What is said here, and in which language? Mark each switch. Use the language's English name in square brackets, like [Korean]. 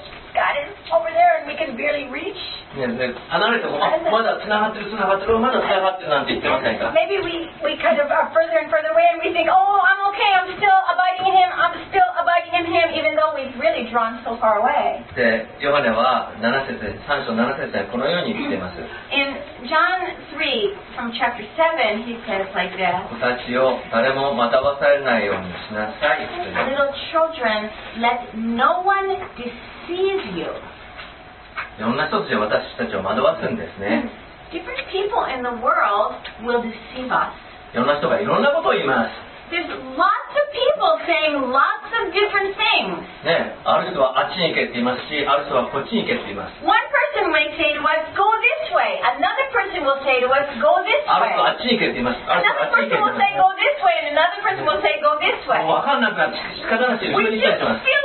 [English] God is over there and we can barely reach. [Japanese] ね、離れても、まだ繋がってる、繋がってる、まだ繋がってるなんて言ってませんか。 [English] Maybe we kind of are further and further away and we think, oh, I'm okay, I'm still abiding in him, I'm still abiding in him, even though we've really drawn so far away. [Japanese] で、ヨハネは7節、3章7節でこのように言っています。 [English] In John 3, from chapter 7, he says like this. [Japanese] 子たちを誰も惑わされないようにしなさい。 [English] Little children, let no one deceive you. [Japanese] いろんな人たちが私たちを惑わすんですね。 [English] Different people in the world will deceive us. [Japanese] いろんな人がいろんなことを言います。 [English] There's lots of people saying lots of different things. [Japanese] ね、ある人はあっちに行けって言いますし、ある人はこっちに行けって言います。 [English] One person may say to us, go this way. Another person will say to us, go this way. [Japanese] ある人はあっちに行けって言います。 [English] Another person will say, go this way. And another person will say, go this way. [Japanese] わかんなくなって仕方なし後ろに行ったりします。